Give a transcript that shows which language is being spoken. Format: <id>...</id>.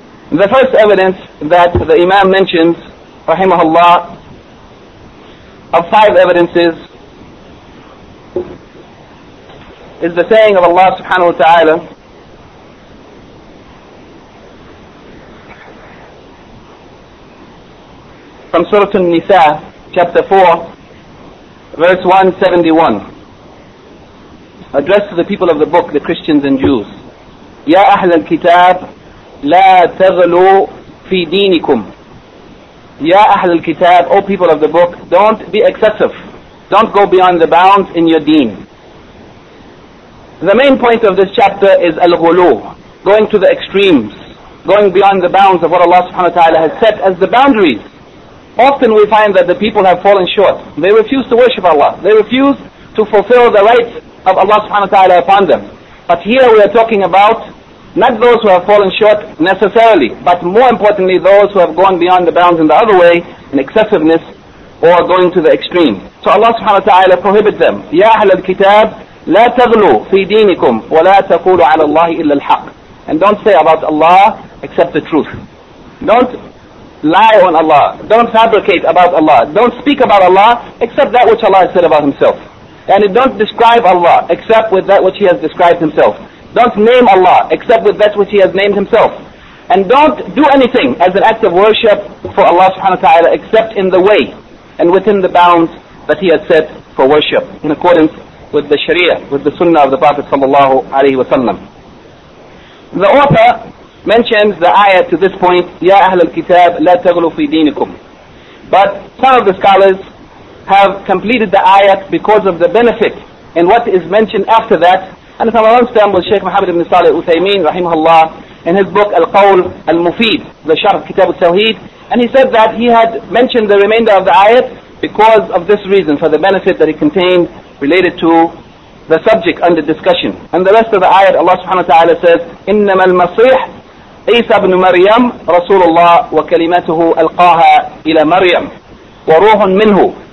<en>The first evidence that the Imam mentions, rahimahullah, of five evidences, is the saying of Allah subhanahu wa ta'ala, from Surah An-Nisa, chapter 4, verse 171, addressed to the people of the book, the Christians and Jews.</en> <ar>Ya أهل الكتاب لا تغلو في دينكم. Ya أهل الكتاب,</ar> <en>O people of the book, don't be excessive. Don't go beyond the bounds in your deen. The main point of this chapter is al-ghulu, going to the extremes, going beyond the bounds of what Allah subhanahu wa ta'ala has set as the boundaries. Often we find that the people have fallen short. They refuse to worship Allah. They refuse to fulfill the rights of Allah subhanahu wa ta'ala upon them. But here we are talking about not those who have fallen short necessarily, but more importantly those who have gone beyond the bounds in the other way, in excessiveness or going to the extreme. So Allah subhanahu wa ta'ala prohibits them.</en> <ar>Ya أهل الكتاب لا تغلو في دينكم ولا تقولوا على الله إلا الحق.</ar> <en>And don't say about Allah except the truth. Don't lie on Allah. Don't fabricate about Allah. Don't speak about Allah except that which Allah has said about Himself. And don't describe Allah except with that which He has described Himself. Don't name Allah except with that which He has named Himself. And don't do anything as an act of worship for Allah subhanahu wa ta'ala except in the way and within the bounds that he had set for worship in accordance with the Sharia, with the Sunnah of the Prophet sallallahu alayhi wa sallam. The author mentions the ayah to this point,</en> <ar>Ya Ahl al-Kitab, la taghlu fi dinikum.</ar> <en>But some of the scholars have completed the ayah because of the benefit and what is mentioned after that. And from our understanding, Shaykh Muhammad ibn Saleh Uthaymeen, rahimahullah, in his book Al-Qawl al-Mufid, the Sharh Kitab al-Tawheed, and he said that he had mentioned the remainder of the ayat because of this reason, for the benefit that it contained related to the subject under discussion. And the rest of the ayat, Allah subhanahu wa ta'ala says,</en> <ar>إِنَّمَا الْمَصِيحِ عِيسَى بْنُ مَرْيَمْ رَسُولُ اللَّهِ وَكَلِمَتُهُ أَلْقَاهَا إِلَى مَرْيَمْ وَرُوحٌ مِنْهُ.</ar>